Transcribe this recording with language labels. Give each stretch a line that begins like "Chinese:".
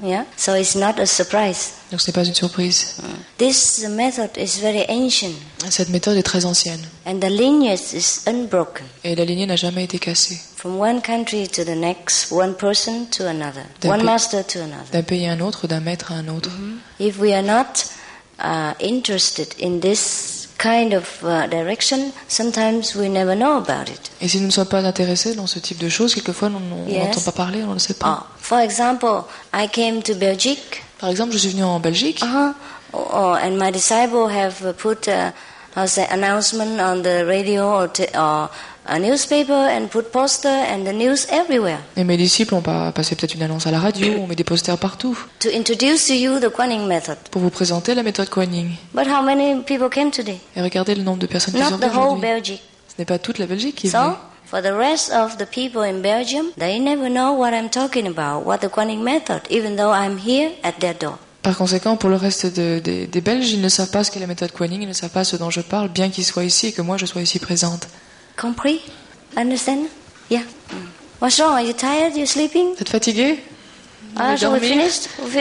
English: Yeah? So it's not a surprise.
French: Donc ce n'est pas une surprise.
English: This method is very ancient.
French: Cette méthode est très ancienne.
English: And the lineage is unbroken.
French: Et la lignée n'a jamais été cassée.
English: From one country to the next, one person to another, one master to another.
French: D'un pays à un autre, d'un maître à un autre.
English: If we are not interested in this kind of direction, sometimes we never know about it.
French: Et si nous ne sommes pas intéressés dans ce type de choses, quelquefois on n'entend pas parler, on ne sait pas.
English: For example, I came to Belgique.
French: Par exemple, je suis venu en Belgique.
English: And my disciples have put an announcement on the radio or a newspaper and put poster and the news everywhere.
French: Et mes disciples ont passé peut-être une annonce à la radio, on met des posters partout.
English: To introduce to you the Kuan Yin method.
French: Pour vous présenter la méthode Kuan Yin.
English: But how many people came today?
French: Et regardez le nombre de personnes qui sont venues.
English: Not the whole Belgique.
French: Ce n'est pas toute la Belgique qui est venue.
English: So, for the rest of the people in Belgium, they never know what I'm talking about, what the Kuan Yin method, even though I'm here at their door.
French: Par conséquent, pour le reste des Belges, ils ne savent pas ce qu'est la méthode Kuan Yin, ils ne savent pas ce dont je parle, bien qu'ils soient ici et que moi je sois ici présente.
English: Compris? Understand? Yeah. What's wrong? Are you tired? You're sleeping?
French: Vous êtes fatigué?
English: So we finished?